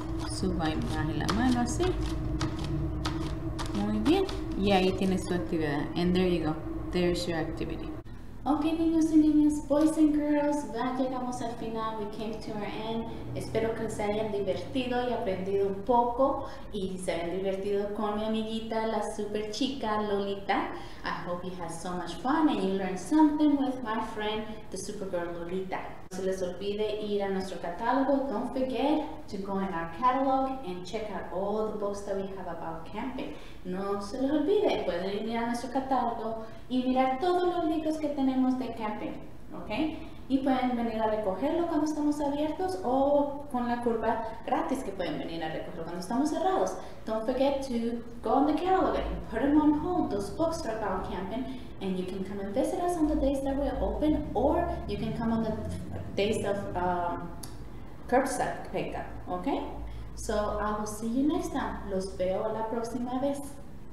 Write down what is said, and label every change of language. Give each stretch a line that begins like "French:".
Spanish: Suba y baje la mano así. Muy bien. Y ahí tienes tu actividad.
English: And there you go. There's your activity.
Spanish: Ok, niños y niñas,
English: boys and girls,
Spanish: ya llegamos al final.
English: We came to our end.
Spanish: Espero que se hayan divertido y aprendido un poco. Y se hayan divertido con mi amiguita, la super chica Lolita.
English: I hope you had so much fun and you learned something with my friend, the supergirl Lolita.
Spanish: No se les olvide ir a nuestro catálogo.
English: Don't forget to go in our catalog and check out all the books that we have about camping.
Spanish: No se les olvide, pueden ir a nuestro catálogo y mirar todos los libros que tenemos de camping, ¿ok? Y pueden venir a recogerlo cuando estamos abiertos o con la curva gratis que pueden venir a recogerlo cuando estamos cerrados.
English: Don't forget to go on the catalog and put them on hold. Those books are about camping and you can come and visit us on the days that we're open or you can come on the days of curbside pickup, ¿ok? So I will see you next time.
Spanish: Los veo la próxima vez.